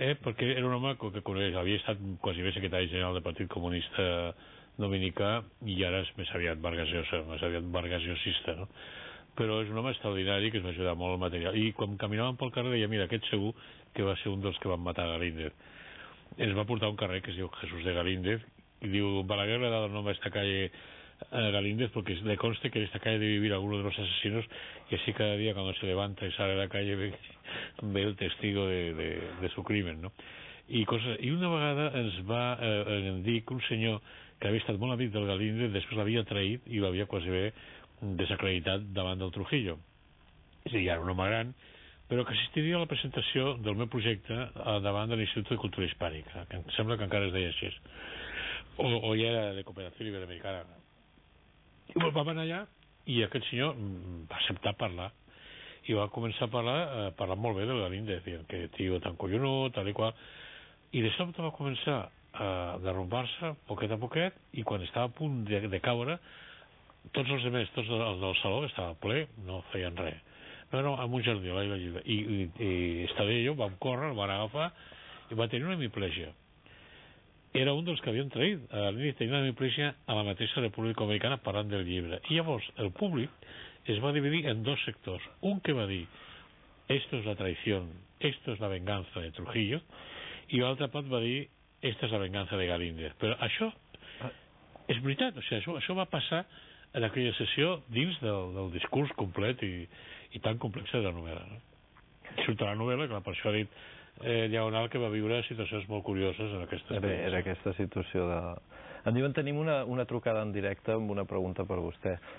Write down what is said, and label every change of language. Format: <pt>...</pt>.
<ca>Perquè era un home que coneix, havia estat quasi bé secretari general del Partit Comunista Dominicà i ara és més aviat Vargas Llosa, més aviat Vargas Llosista, no? Però és un home extraordinari que es va ajudar molt al material. I quan caminàvem pel carrer deia, mira, aquest segur que va ser un dels que van matar Galíndez. Ens va portar un carrer que es diu Jesús de Galíndez i diu,</ca> <es>Balaguer li ha dado el nombre a esta calle Galíndez porque le conste que en esta calle debe vivir alguno de los asesinos y así cada día cuando se levanta y sale a la calle ve el testigo de su crimen, no?</es> <ca>I, cosa, i una vegada ens va dir que un senyor que havia estat molt amic del Galíndez després l'havia traït i l'havia quasi bé desacreditat davant del Trujillo. És a dir, era un home gran, però que assistiria a la presentació del meu projecte davant de l'Institut de Cultura Hispànica, que em sembla que encara es deia així. O ja era de Cooperació Iberoamericana. I vam anar allà i aquest senyor va acceptar parlar. I va començar a parlar, molt bé del Galíndez, dient que tio tan collonó, tal i qual. I de sobte va començar a derrumbar-se poquet a poquet i quan estava a punt de caure, tots els altres, tots els del saló, estava ple, no feien res. Però en un jardí, l'aire lliure. I estava allò, vam córrer, el van agafar i va tenir una hemiplegia. Era un dels que havien traït. Galíndez tenia una hemiplegia a la mateixa República Americana parlant del llibre. I llavors el públic es va dividir en dos sectors. Un que va dir,</ca> <es>esto es la traición, esto es la venganza de Trujillo,</es> <ca>i l'altre part va dir,</ca> <es>esta es la venganza de Galíndez.</es> <ca>Però això és veritat, o sigui, això va passar en aquella sessió dins del discurs complet i tan complex de la novel·la. No? Surt a la novel·la, clar, per això ha dit Diagonal que va viure situacions molt curioses en aquesta situació. Era aquesta situació de... Em diuen, tenim una trucada en directe amb una pregunta per vostè.</ca>